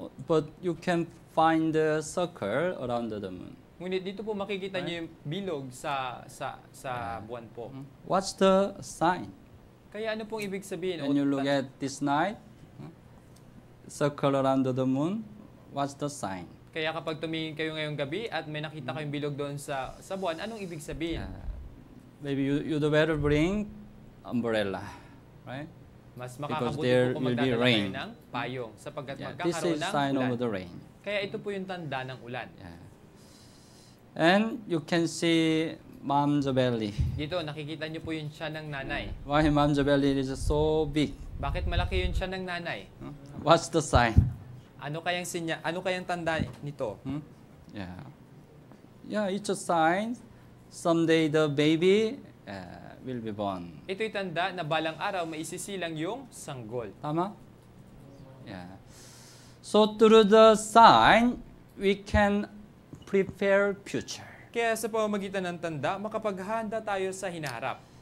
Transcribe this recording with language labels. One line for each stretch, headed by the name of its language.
English: But you can find the circle around the moon.
Filipino: Ngunit dito po makikita right? Niyo yung bilog sa buwan po.
English: What's the sign?
Filipino: Kaya ano pong ibig sabihin?
English: When you look at this night, circle around the moon, what's the sign?
Filipino: Kaya kapag tumingin kayo ngayong gabi at may nakita kayong bilog doon sa buwan, anong ibig sabihin?
English: Maybe you'd better bring umbrella, right? Mas because there will be rain.
Filipino: Payong, sapagkat
English: yeah, this is a sign
Filipino: ulan.
English: Of the rain.
Filipino: Kaya ito po yung tanda ng ulan.
English: Yeah. And you can see Mom's belly.
Filipino: Dito, nakikita niyo po yung tiyan ng nanay.
English: Why Mom's belly is so big?
Filipino: Bakit malaki yung tiyan ng nanay?
English: Huh? What's the sign?
Filipino: Ano kayang sinya? Ano kayang tanda nito?
English: Hmm? Yeah. Yeah, it's a sign. Someday the baby will be born.
Filipino: Ito'y tanda na balang araw maisisilang yung sanggol. Tama? Yeah.
English: So through the sign, we can prepare future.
Filipino: Kaya sa pamamagitan ng tanda, makapaghanda tayo sa hinaharap.